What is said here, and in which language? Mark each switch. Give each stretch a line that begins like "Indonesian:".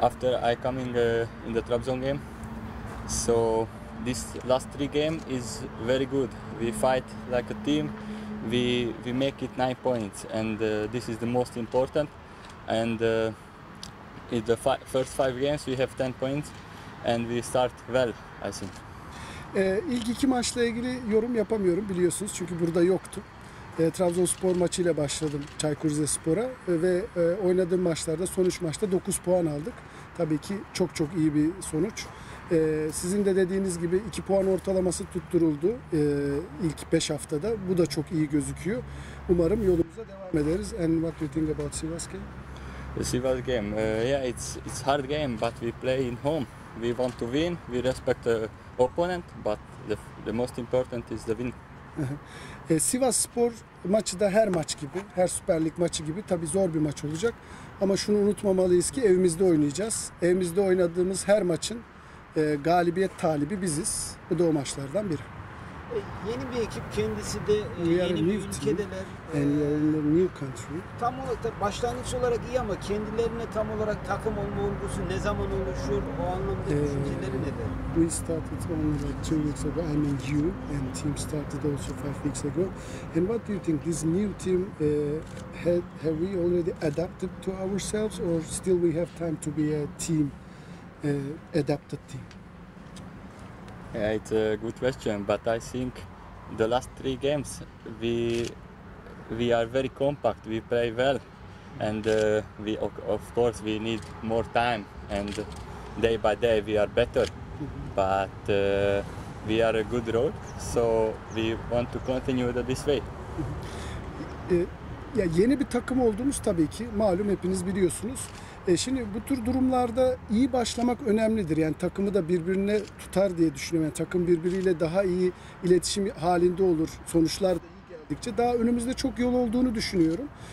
English: After I coming in the Trabzon game, so this last three game is very good. We fight like a team. We make it 9 points, and this is the most important. And in the first five games, we have 10 points, and we start well, I think.
Turkish: İlk iki maçla ilgili yorum yapamıyorum biliyorsunuz çünkü burada yoktu. Trabzonspor maçıyla başladım Çaykur Rizespor'a ve oynadığım maçlarda son 3 maçta 9 puan aldık. Tabii ki çok çok iyi bir sonuç. Sizin de dediğiniz gibi 2 puan ortalaması tutturuldu ilk 5 haftada. Bu da çok iyi gözüküyor. Umarım yolumuza devam ederiz.
English: And what do you think about Sivas game? The Sivas game, it's hard game but we play in home. We want to win, we respect the opponent but the most important is the win.
Turkish: Sivas Spor maçı da her maç gibi, her Süper Lig maçı gibi tabii zor bir maç olacak. Ama şunu unutmamalıyız ki evimizde oynayacağız. Evimizde oynadığımız her maçın galibiyet talibi biziz. Bu da o maçlardan biri. Yeni bir ekip, kendisi de yeni bir ülkedeler.
English: And a new country.
Turkish: Tam olarak da başlangıç olarak iyi ama kendilerine tam olarak takım olma olgusu ne zaman oluşur, o anlamda düşünceleri nedir?
English: We started only like 2 weeks ago. I mean you and team started also 5 weeks ago. And what do you think? This new team, have we already adapted to ourselves or still we have time to be a team, adapted team? Yeah, it's a good question, but I think the last three games we are very compact, we play well, and we of course we need more time, and day by day we are better, but we are a good road, so we want to continue this way.
Turkish: Ya yeni bir takım olduğumuz tabii ki malum, hepiniz biliyorsunuz. Şimdi bu tür durumlarda iyi başlamak önemlidir. Yani takımı da birbirine tutar diye düşünüyorum. Yani takım birbiriyle daha iyi iletişim halinde olur. Sonuçlar da iyi geldikçe daha önümüzde çok yol olduğunu düşünüyorum.